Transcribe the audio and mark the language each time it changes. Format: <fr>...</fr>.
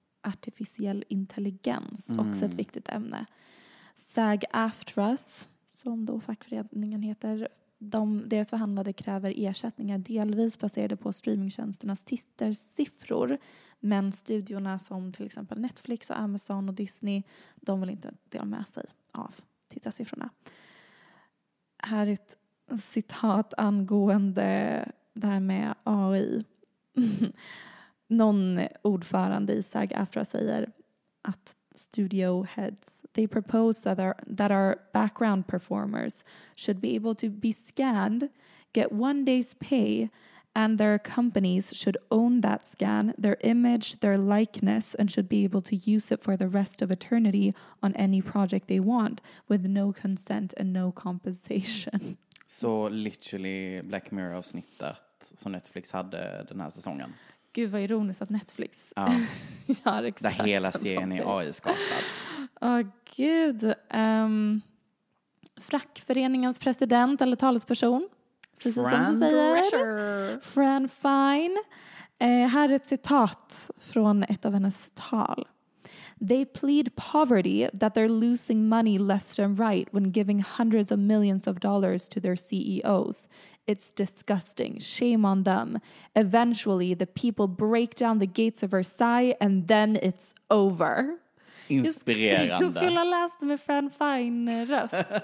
<sv>artificiell intelligens, också ett viktigt ämne. SAG-AFTRA's, som då fackföreningen heter, deras förhandlade kräver ersättningar delvis baserade på streamingtjänsternas tittarsiffror. Men studiorna som till exempel Netflix och Amazon och Disney, de vill inte dela med sig av tittarsiffrorna. Här är ett citat angående det här med AI. Någon ordförande i SAG-AFTRA säger att</sv> <en>studio heads, they propose that our background performers should be able to be scanned, get one day's pay, and their companies should own that scan, their image, their likeness, and should be able to use it for the rest of eternity on any project they want with no consent and no compensation.</en> <sv>Så</sv> <en>so literally</en> <sv>Black Mirror-avsnittet som Netflix hade den här säsongen. Gud vad ironiskt att Netflix gör exakt. Där hela serien är AI-skapad. Åh gud. Frackföreningens president eller talesperson. Precis Fran som du säger. Drescher. Fran Fine. Här är ett citat från ett av hennes tal.</sv> <en>They plead poverty that they're losing money left and right when giving hundreds of millions of dollars to their CEOs. It's disgusting. Shame on them. Eventually the people break down the gates of Versailles and then it's over.</en> <sv>Inspirerande. Jag skulle ha läst med Fran Fine röst.</sv>